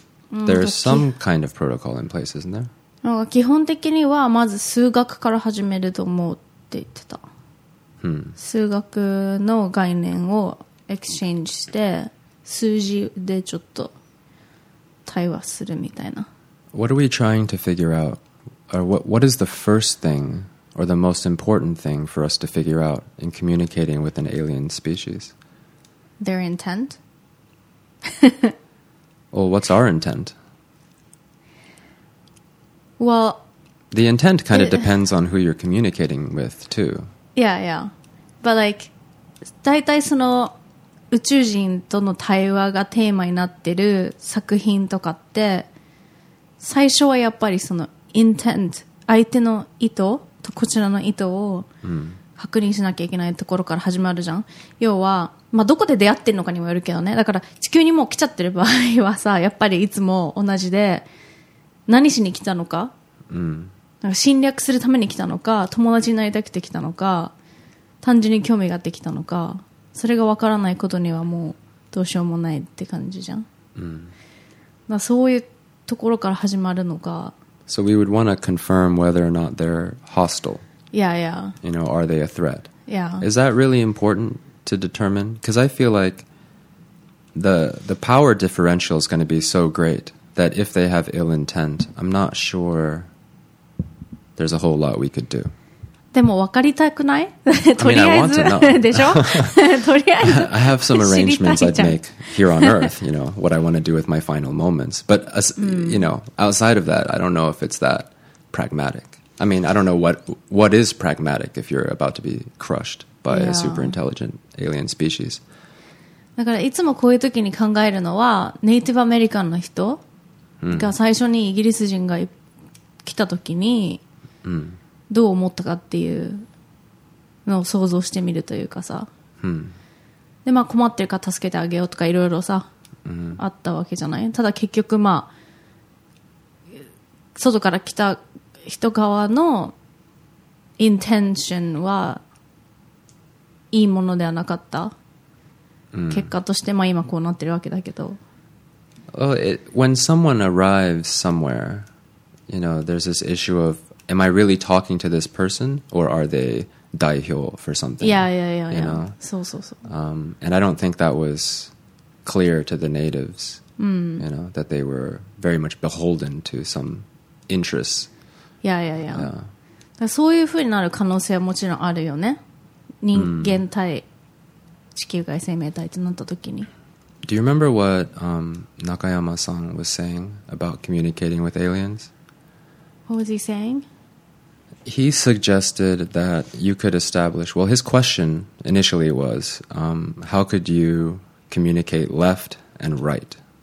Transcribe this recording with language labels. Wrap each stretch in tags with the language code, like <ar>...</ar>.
<en>There's some kind of protocol in place, isn't there?</en> <ja>なんか基本的にはまず数学から始めると思うって言ってた、 hmm. 数学の概念をエクシェンジして数字でちょっと対話するみたいな。</ja> <en>What are we trying to figure out? Or what is the first thing or the most important thing for us to figure out in communicating with an alien species? Their intent? Well, what's our intent? Well, the intent kind of depends on who you're communicating with, too. Yeah, yeah. But like,</en> <ja>大体その宇宙人との対話がテーマになってる作品とかって最初はやっぱりその intent 相手の意図とこちらの意図を確認しなきゃいけないところから始まるじゃん、うん、要は、まあ、どこで出会ってるのかにもよるけどね。だから地球にもう来ちゃってる場合はさ、やっぱりいつも同じで何しに来たの か,、うん、なんか侵略するために来たのか、友達になりたくて来たのか、単純に興味があって来たのか、それがわからないことにはもうどうしようもないって感じじゃん、うん、だそういうところから始まるのか。</ja> <en>So we would want to confirm whether or not they're hostile. Yeah, yeah. You know, are they a threat? Yeah. Is that really important to determine? Because I feel like the power differential is going to be so great that if they have ill intent, I'm not sure there's a whole lot we could do.</en> <ja>でも分かりたくない? とりあえず、</ja> <en>I mean, I want to know.</en> <ja>でしょ?とりあえず、</ja> <en>I have some arrangements I'd make here on Earth, you know, what I want to do with my final moments. But, as,、mm. you know, outside of that, I don't know if it's that pragmatic. I mean, I don't know what is pragmatic if you're about to be crushed by、yeah. a super intelligent alien species.</en> <ja>だからいつもこういう時に考えるのは、ネイティブアメリカンの人が最初にイギリス人が来た時に、 mm. Mm. どう思ったかっていうのを想像してみるというかさ、うん、でまあ困ってるから助けてあげようとかいろいろさ、うん、あったわけじゃない。ただ結局まあ外から来た人側のインテンションはいいものではなかった、うん、結果としてまあ今こうなってるわけだけど、</ja> <en>oh, it, when someone arrives somewhere, you know, there's this issue ofAm I really talking to this person, or are they 代表 for something. Yeah. You know?</en> <ja>そうそうそう.</ja> <en>And I don't think that was clear to the natives, you know, that they were very much beholden to some interests. Yeah.</en> <ja>そういうふうになる可能性はもちろんあるよね。人間対地球外生命体となったときに。</ja> <en>Do you remember what Nakayama-san was saying about communicating with aliens? What was he saying? He suggested that you could establish... Well, his question initially was, how could you communicate left and right?</en>